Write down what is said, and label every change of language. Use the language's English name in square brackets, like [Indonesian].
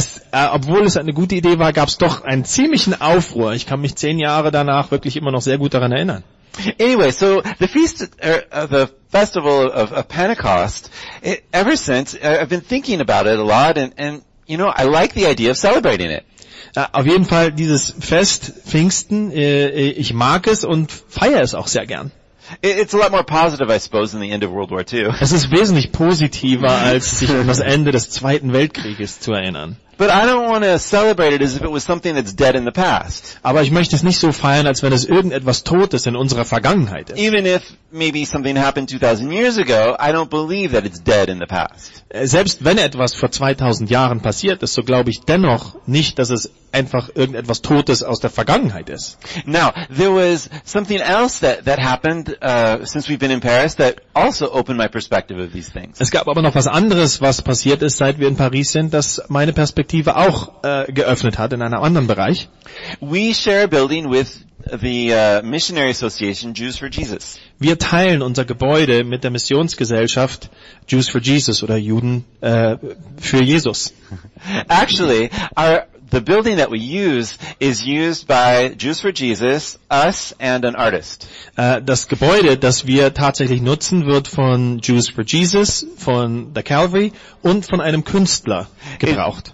[German] Obwohl es eine gute Idee war, gab es doch einen ziemlichen Aufruhr. Ich kann mich 10 Jahre danach wirklich immer noch sehr gut daran erinnern. [English] Anyway, so the festival of Pentecost, ever since, I've been thinking about it a lot, and you know, I like the idea of celebrating it. [German] Auf jeden Fall, dieses Fest, Pfingsten, ich mag es und feiere es auch sehr gern. [English] It's a lot more positive, I suppose, than the end of World War II. [German] Es ist wesentlich positiver, als sich an das Ende des Zweiten Weltkrieges zu erinnern. [English] But I don't want to celebrate it as if it was something that's dead in the past. [German] Aber ich möchte es nicht so feiern, als wenn es irgendetwas Totes in unserer Vergangenheit ist. [English] Even if maybe something happened 2000 years ago, I don't believe that it's dead in the past. [German] Selbst wenn etwas vor 2000 Jahren passiert ist, so glaube ich dennoch nicht, dass es einfach irgendetwas Totes aus der Vergangenheit ist. [English] Now, there was something else that happened since we've been in Paris that also opened my perspective of these things. [German] Es gab aber noch was anderes, was passiert ist, seit wir in Paris sind, das meine Perspektive auch geöffnet hat in einem anderen Bereich. [English] We share a building with the Missionary Association Jews for Jesus. [German] Wir teilen unser Gebäude mit der Missionsgesellschaft Jews for Jesus oder Juden für Jesus. [English] Actually, the building that we use is used by Jews for Jesus, us and an artist. [German] Das Gebäude, das wir tatsächlich nutzen, wird von Jews for Jesus, von der Calvary und von einem Künstler gebraucht.